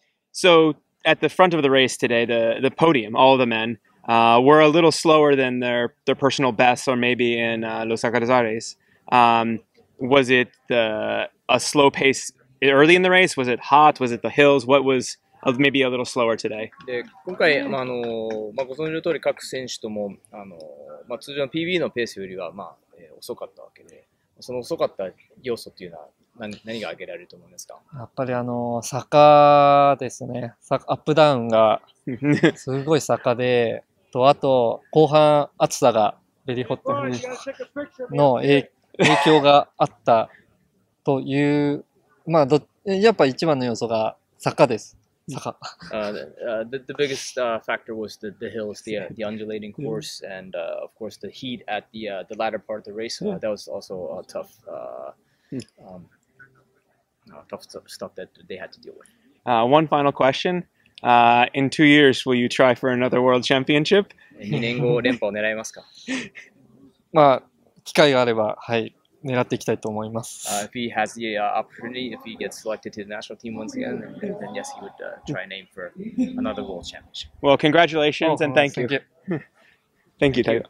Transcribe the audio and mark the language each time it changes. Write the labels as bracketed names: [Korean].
[English] So at the front of the race today, the podium, all the men were a little slower than their personal bests, or maybe in Los Alcázares. Was it a slow pace early in the race? Was it hot? Was it the hills? What was maybe a little slower today? [Japanese] で、今回、まあ、まあ、ご存知の通り各選手とも、まあ、通常の PB のペースよりは、まあ、遅かったわけで、その遅かった要素っていうのは 何が挙げられると思いますか？やっぱり坂ですね。アップダウンがすごい坂で、とあと後半暑さがベリーホットの影響があったという、まあ、やっぱ一番の要素が坂です。 [English] The biggest factor was the hills, the undulating course, and of course the heat at the latter part of the race. That was also a tough stuff that they had to deal with. One final question. In 2 years, will you try for another world championship? [Japanese] 2年後連覇を狙いますか？まあ、機会があれば、はい。狙っていきたいと思います。 [English] If he has the opportunity, if he gets selected to the national team once again, then yes, he would try and aim for another world championship. Well, congratulations and thank you. Thank you, Taiga.